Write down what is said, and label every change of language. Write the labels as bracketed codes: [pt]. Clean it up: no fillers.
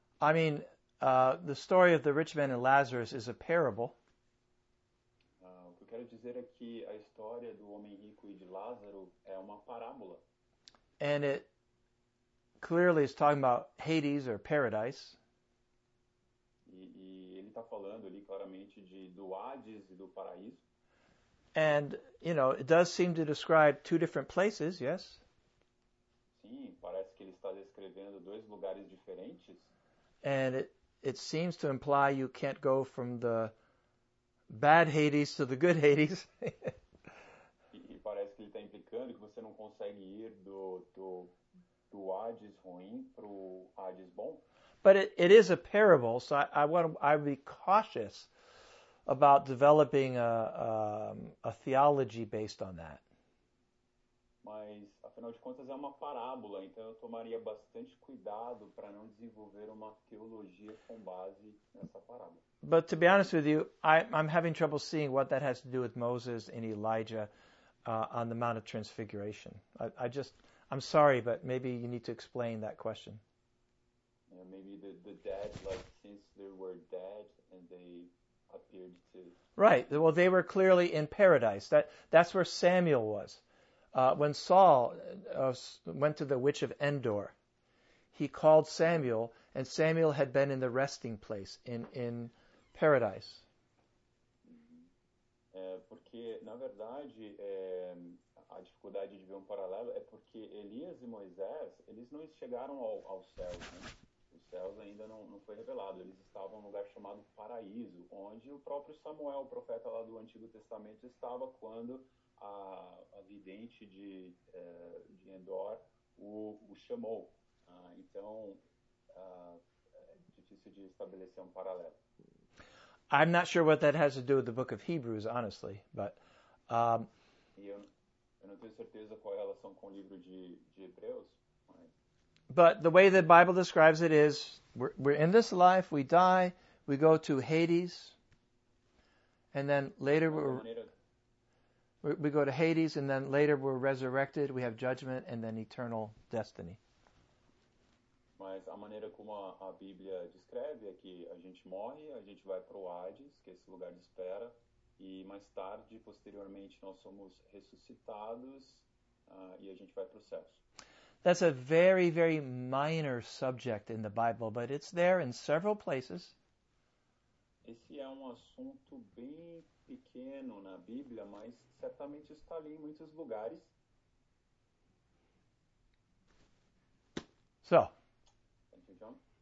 [en] I mean, the story of the rich man and Lazarus is a parable. [pt] O que eu quero dizer é que a história do homem rico e de Lázaro é uma parábola. [en] And it clearly is talking about Hades or paradise. [pt] E ele está falando ali claramente de do Hades e do paraíso. [en] And, you know, it does seem to describe two different places, yes? [pt] Sim, parece que ele está descrevendo dois lugares diferentes. [en] And it seems to imply you can't go from the bad Hades to the good Hades. [pt] E parece que ele está implicando que você não consegue ir do Hades ruim pro Hades bom. [en] But it is a parable, so I'd be cautious about developing a theology based on that. [pt] Mas afinal de contas é uma parábola, então eu tomaria bastante cuidado para não desenvolver uma teologia com base nessa parábola. [en] But to be honest with you, I'm having trouble seeing what that has to do with Moses and Elijah on the Mount of Transfiguration. I'm sorry, but maybe you need to explain that question. Yeah, maybe the dead, like since they were dead and they appeared to. Right. Well, they were clearly in paradise. That's where Samuel was. When Saul went to the witch of Endor, he called Samuel, and Samuel had been in the resting place in paradise. [pt] Porque na verdade a dificuldade de ver paralelo é porque Elias e Moisés eles não chegaram ao céu. Né? Céus ainda não foi revelado. Eles estavam em um lugar chamado Paraíso, onde o próprio Samuel, o profeta lá do Antigo Testamento, estava quando a vidente de Endor o chamou. Então, é difícil de estabelecer paralelo. [en] I'm not sure what that has to do with the book of Hebrews, honestly, but... [pt] Eu não tenho certeza qual é a relação com o livro de Hebreus. [en] But the way the Bible describes it is, we're in this life, we die, we go to Hades, and then later we go to Hades, and then later we're resurrected, we have judgment, and then eternal destiny. [pt] Mas a maneira como a Bíblia descreve é que a gente morre, a gente vai para o Hades, que é esse lugar de espera, e mais tarde, posteriormente, nós somos ressuscitados, e a gente vai para o céu. [en] That's a very, very minor subject in the Bible, but it's there in several places. [pt] Esse é assunto bem pequeno na Bíblia, mas certamente está ali em muitos lugares. [en] So. Thank you, John.